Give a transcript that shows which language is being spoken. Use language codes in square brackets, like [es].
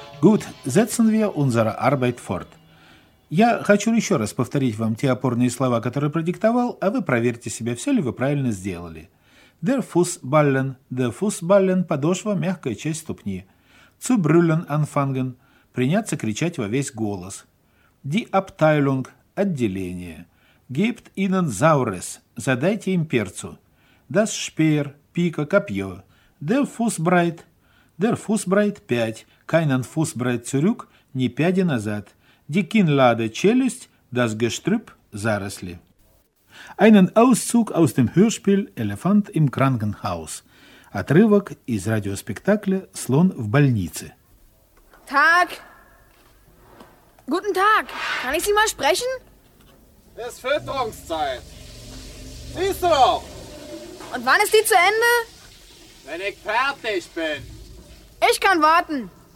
[de] Gut, setzen wir unsere Arbeit fort. [ru] Я хочу еще раз повторить вам те опорные слова, которые продиктовал, а вы проверьте себя, все ли вы правильно сделали. [de] Der Fußballen [ru] – подошва, мягкая часть ступни. [de] Zu brüllen anfangen [ru] – приняться кричать во весь голос. [de] Die Abteilung – [ru] отделение. [de] Gebt ihnen Saures – [ru] задайте им перцу. [de] Das Speer – [ru] пика, копье. [de] Der Fußbreit – Der Fußbreit 5, keinen Fußbreit zurück, [ru] ни пяди назад. [de] Die Kinnlade [ru] челюсть, [de] das Gestrüpp [ru] заросли. [de] Einen Auszug aus dem Hörspiel Elefant im Krankenhaus. [ru] Отрывок из радиоспектакля Слон в больнице. [de] Tag! Guten Tag! Kann ich Sie mal sprechen? Es ist Fütterungszeit. Siehst du doch! Und wann ist die zu Ende? Wenn ich fertig bin. Ich kann warten.